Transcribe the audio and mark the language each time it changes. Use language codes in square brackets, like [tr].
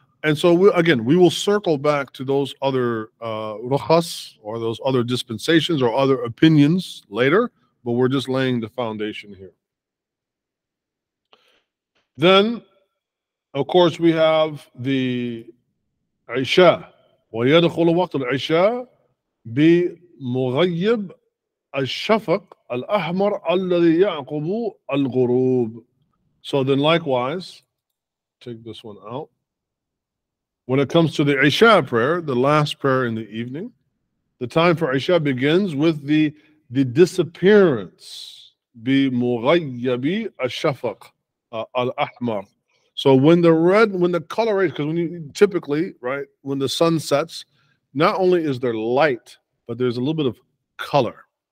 [en] And so, we will circle back to those other rukhas, or those other dispensations or other opinions later, but we're just laying the foundation here. Then, of course, we have the Isha. [ar] وَيَدْخُلُ وَقْتُ الْعِشَىٰ بِمُغَيِّبِ الشَّفَقِ الْأَحْمَرِ الَّذِي يَعْقُبُ الْغُرُوبِ. [en] So then likewise, take this one out. When it comes to the Isha prayer, the last prayer in the evening, the time for Isha begins with the disappearance. [ar] Bi mughayyabi al-shafaq al-ahmar. [en] So when the color is, because when the sun sets, not only is there light, but there's a little bit of color.